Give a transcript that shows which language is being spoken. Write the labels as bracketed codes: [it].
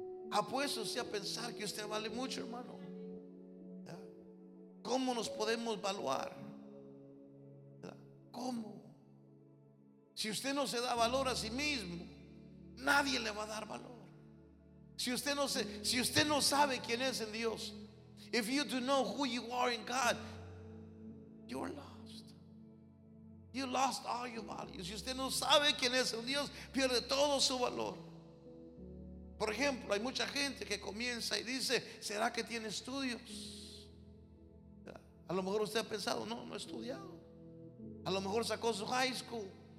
[es] Apuesto usted a pensar que usted vale mucho, hermano. ¿Cómo nos podemos valuar? ¿Cómo? Si usted no se da valor a sí mismo, nadie le va a dar valor. Si usted no sabe quién es en Dios. [en] If you do know who you are in God, you're lost. You lost all your values. [es] Si usted no sabe quién es un Dios, pierde todo su valor. Por ejemplo, hay mucha gente que comienza y dice, ¿será que tiene estudios? A lo mejor usted ha pensado, no ha estudiado. A lo mejor sacó su high school.